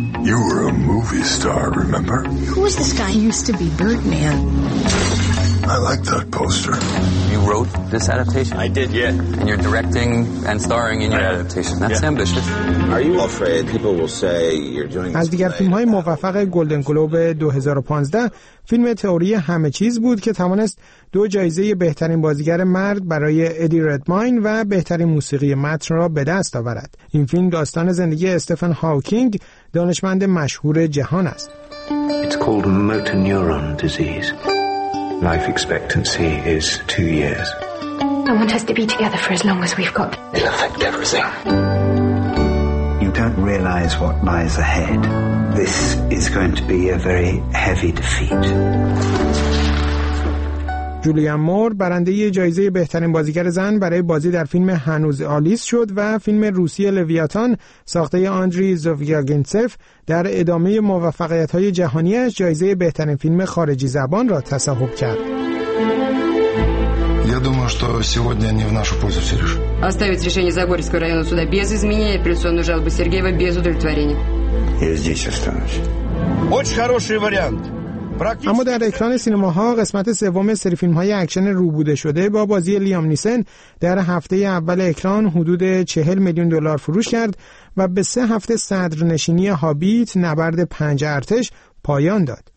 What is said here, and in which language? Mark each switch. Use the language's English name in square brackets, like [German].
[English] You were a movie star, remember? Who was this guy who used to be Birdman? I like that poster. You wrote this adaptation? I did, yeah. And you're directing and starring in your adaptation. That's ambitious. Are you afraid people will say you're doing this? [Persian] از دیگر فیلم‌های موفق گلدن گلوب 2015، فیلم تئوری همه چیز بود که توانست 2 جایزه بهترین بازیگر مرد برای ادی ردماین و بهترین موسیقی متن را به دست آورد. این فیلم داستان زندگی استفن هاوکینگ، دانشمند مشهور جهان است. [English] It's called motor neuron disease. Life expectancy is 2 years. I want us to be together for as long as we've got. It'll affect everything. You don't realize what lies ahead. This is going to be a very heavy defeat. [Persian] جولیان مور برنده جایزه بهترین بازیگر زن برای بازی در فیلم هنوز آلیس شد و فیلم روسی لویاتان ساخته آندری زوفیاگینتسف در ادامه موفقیت‌های جهانیش جایزه بهترین فیلم خارجی زبان را تصاحب کرد. [Russian] Я думаю, что сегодня не в нашу пользу, Серёж. Оставить решение Загорского районного суда без изменения апелляционной жалобы Сергеева без удовлетворения. Я здесь останусь. Очень хороший вариант. [Persian] اما در اکران سینماها قسمت سوم سری فیلم‌های اکشن روبوده شده با بازی لیام نیسن در هفته اول اکران حدود 40 میلیون دلار فروش کرد و به 3 هفته صدرنشینی هابیت نبرد 5 ارتش پایان داد.